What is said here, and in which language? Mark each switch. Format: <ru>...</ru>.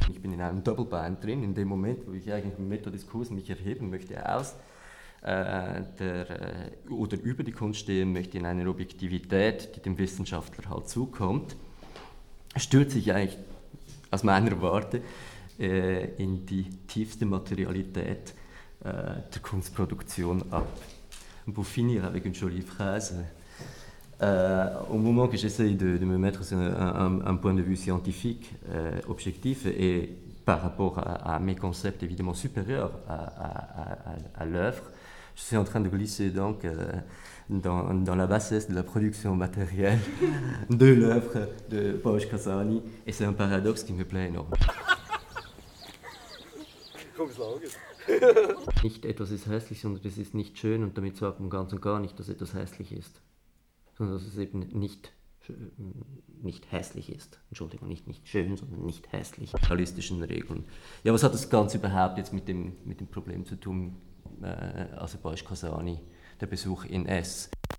<de>Ich bin in einem Doppelbein drin, in dem Moment, wo ich eigentlich mit Metadiskurs mich erheben möchte, oder über die Kunst stehen möchte, in einer Objektivität, die dem Wissenschaftler halt zukommt, stürze ich eigentlich aus meiner Warte in die tiefste Materialität der Kunstproduktion ab.</de> <fr>Pour finir avec une jolie phrase, au moment que j'essaye de me mettre sur un point de vue scientifique objectif et par rapport à mes concepts évidemment supérieurs à l'œuvre, je suis en train de glisser donc dans la bassesse de la production matérielle de l'œuvre de Paul Casani et c'est un paradoxe qui me plaît énormément.</fr> <de>Nicht etwas ist hässlich, sondern es ist nicht schön und damit sagt man ganz und gar nicht, dass etwas hässlich ist, sondern dass es eben nicht hässlich ist. Entschuldigung, nicht schön, sondern nicht hässlich. Realistischen Regeln. Ja, was hat das Ganze überhaupt jetzt mit dem Problem zu tun, also Boris Casani, der Besuch in S?</de>